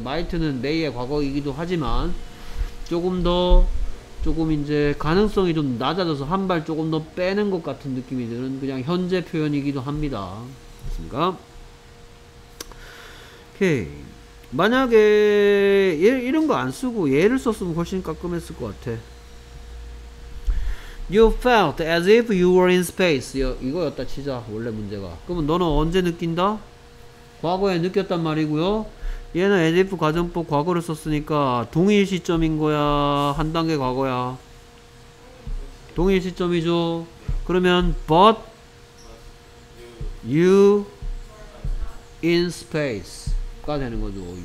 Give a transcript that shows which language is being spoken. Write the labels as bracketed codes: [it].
[ko] 마이트는 메이의 과거이기도 하지만 조금 더 조금 이제 가능성이 좀 낮아져서 한발 조금 더 빼는 것 같은 느낌이 드는 그냥 현재 표현이기도 합니다. 그렇습니까? 오케이. 만약에 이런 거안 쓰고 얘를 썼으면 훨씬 깔끔했을 것 같아. [en] You felt as if you were in space. [ko] 이거였다 치자. 원래 문제가. 그러면 너는 언제 느낀다? 과거에 느꼈단 말이고요. 얘는 as if 가정법 과거를 썼으니까 동일 시점인 거야. 한 단계 과거야. 동일 시점이죠. 그러면 [en] but you in space [ko] 가 되는 거죠.